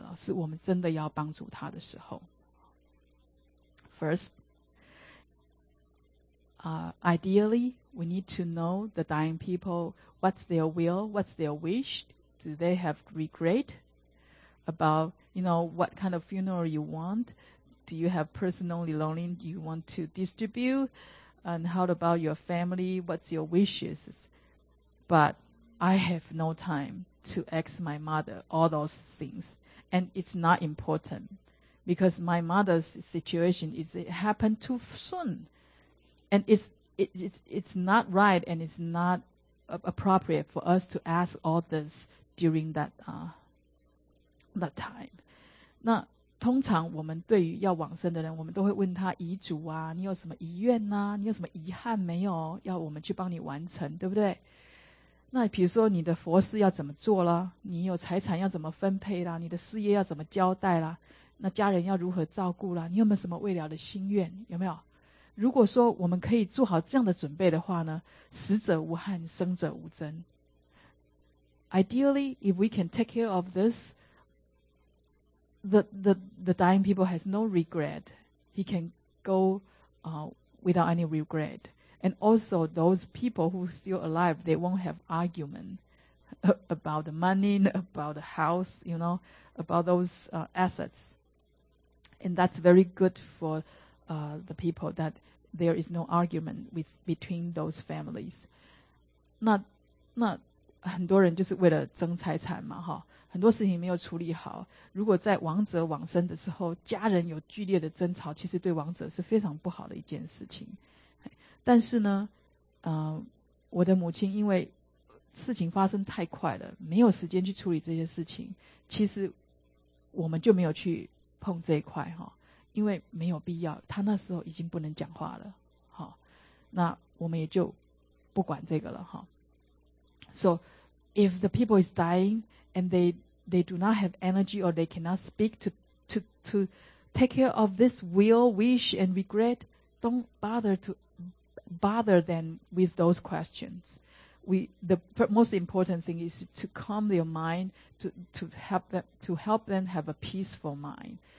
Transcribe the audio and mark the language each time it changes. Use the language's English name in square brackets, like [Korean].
[Chinese] 那真的是临终的关卡了，是我们真的要帮助她的时候。 [English] First, ideally, we need to know the dying people, what's their will, what's their wish, do they have regret? About, you know, what kind of funeral you want? Do you have personal belonging you want to distribute? And how about your family? What's your wishes? But I have no time to ask my mother all those things. And it's not important. Because my mother's situation is it happened too soon. And it's not right and it's not appropriate for us to ask all this during that that time. 那 [Chinese] 通常我们对于要往生的人，我们都会问他遗嘱啊，你有什么遗愿啊，你有什么遗憾没有，要我们去帮你完成，对不对？那比如说你的佛事要怎么做啦，你有财产要怎么分配啦，你的事业要怎么交代啦，那家人要如何照顾啦，你有没有什么未了的心愿，有没有？如果说我们可以做好这样的准备的话呢，死者无憾，生者无争。 [English] Ideally, if we can take care of this, the dying people has no regret. He can go without any regret. And also those people who are still alive, they won't have argument about the money, about the house, you know, about those assets. And that's very good for the people that there is no argument with between those families. [Chinese] 那很多人就是为了争财产嘛，哈，很多事情没有处理好。如果在亡者往生的时候，家人有剧烈的争吵，其实对亡者是非常不好的一件事情。但是呢，我的母亲因为事情发生太快了，没有时间去处理这些事情，其实我们就没有去碰这一块，哈。因为没有必要，他那时候已经不能讲话了，好，那我们也就不管这个了，哈。 [English] So if the people is dying and they do not have energy or they cannot speak to take care of this will, wish and regret, don't bother them with those questions. The most important thing is to calm their mind to help them have a peaceful mind.